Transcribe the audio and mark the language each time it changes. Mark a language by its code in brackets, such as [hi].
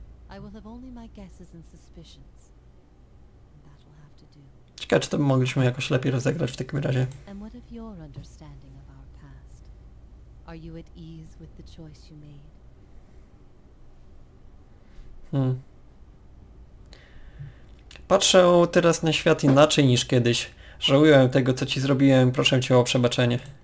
[en] I will have only my guesses and suspicions. That will have to do. [pl] Ciekawe, czy to mogliśmy jakoś lepiej rozegrać w takim razie. [en] And what of your understanding of our past? Are you at ease with the choice you made? [pl] Patrzę teraz na świat inaczej niż kiedyś. Żałuję tego, co ci zrobiłem. Proszę cię o przebaczenie.